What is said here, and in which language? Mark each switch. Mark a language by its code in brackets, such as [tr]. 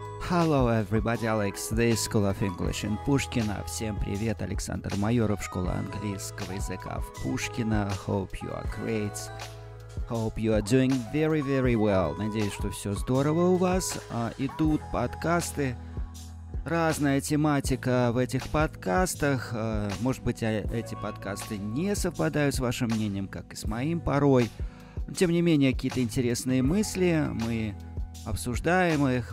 [en] Hello, everybody, Alex, this is School of English in Pushkin. [ru] Всем привет, Александр Майоров, школа английского языка в Пушкино. [en] Hope you are great. Hope you are doing very, very well. [ru] Надеюсь, что все здорово у вас. Идут подкасты. Разная тематика в этих подкастах. Может быть, эти подкасты не совпадают с вашим мнением, как и с моим порой. Но, тем не менее, какие-то интересные мысли мы обсуждаем их.